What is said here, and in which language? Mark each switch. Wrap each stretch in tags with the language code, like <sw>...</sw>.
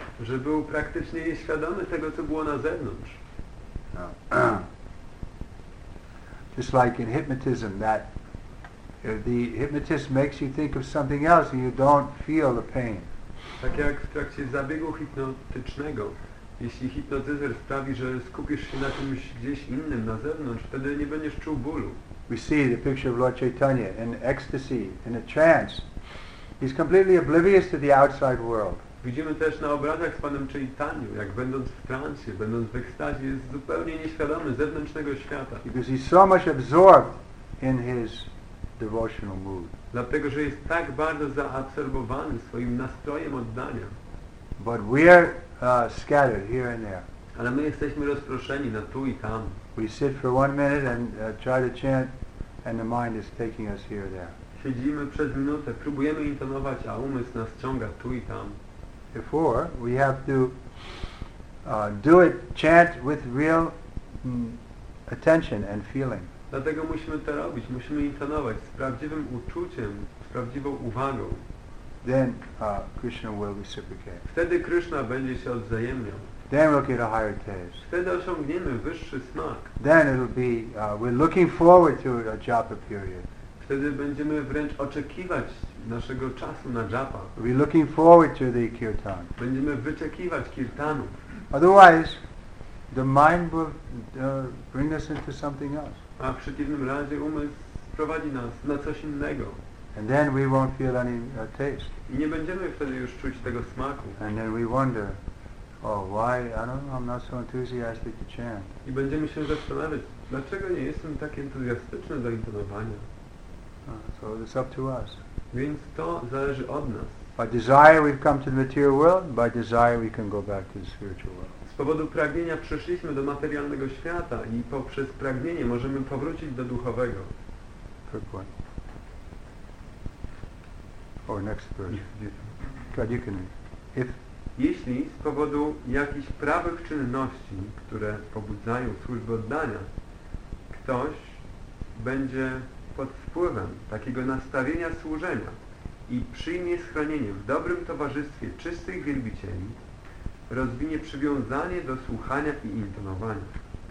<pl>Że był praktycznie nieświadomy tego, co było na zewnątrz.</pl> <en>Just like in hypnotism, that the hypnotist makes you think of something else and you don't feel the pain.</en> <pl>Tak jak w trakcie zabiegu hipnotycznego, jeśli hipnotyzer sprawi, że skupisz się na czymś gdzieś innym, na zewnątrz, wtedy nie będziesz czuł bólu.</pl> <en>We see the picture of Lord Chaitanya in ecstasy, in a trance. He's completely oblivious to the outside world.</en> <pl>Widzimy też na obrazach z Panem Chaitanią, jak będąc w transie, będąc w ekstazie, jest zupełnie nieświadomy zewnętrznego świata.</pl> <en>Because he's so much absorbed in his devotional mood.</en> <pl>Dlatego, że jest tak bardzo zaabsorbowany swoim nastrojem oddania.</pl> <en>But we're scattered here and there.</en> <pl>Ale my jesteśmy rozproszeni na tu i tam.</pl> <en>We sit for one minute and try to chant and the mind is taking us here and there.</en> <pl>Siedzimy przez minutę, próbujemy intonować, a umysł nas ciąga tu i tam.</pl> <en>Therefore, we have to do it, chant with real attention and feeling.</en> <pl>Dlatego musimy to robić, musimy intonować z prawdziwym uczuciem, z prawdziwą uwagą.</pl> <en>Then Krishna will reciprocate.</en> <pl>Wtedy Krishna będzie się odwzajemniał.</pl> <en>Then we'll get a higher taste.</en> <pl>Wtedy osiągniemy wyższy smak.</pl> <en>Then it'll be we're looking forward to a japa period.</en> <pl>Wtedy będziemy wręcz oczekiwać naszego czasu na japa.</pl> <en>We're looking forward to the kirtan.</en> <pl>Będziemy wyczekiwać kirtanów.</pl> <en>Otherwise, the mind will bring us into something else.</en> <pl>A w przeciwnym razie umysł prowadzi nas na coś innego.</pl> <en>And then we won't feel any taste.</en> <pl>I nie będziemy wtedy już czuć tego smaku.</pl> <en>And then we wonder, oh, why? I don't know, I'm not so enthusiastic to chant.</en> <pl>I będziemy się zastanawiać, dlaczego nie jestem tak entuzjastyczny do intonowania.</pl> <en>So it's up to us.</en> <pl>Więc to zależy od nas.</pl> <en>By desire we've come to the material world, by desire we can go back to the spiritual world.</en> <pl>Z powodu pragnienia przyszliśmy do materialnego świata i poprzez pragnienie możemy powrócić do duchowego.</pl> <en>Good one. Or next verse. God, you can. If</en> <pl>jeśli z powodu jakichś prawych czynności, które pobudzają służbę oddania, ktoś będzie pod wpływem takiego nastawienia służenia i przyjmie schronienie w dobrym towarzystwie czystych wielbicieli, rozwinie przywiązanie do słuchania i intonowania.</pl>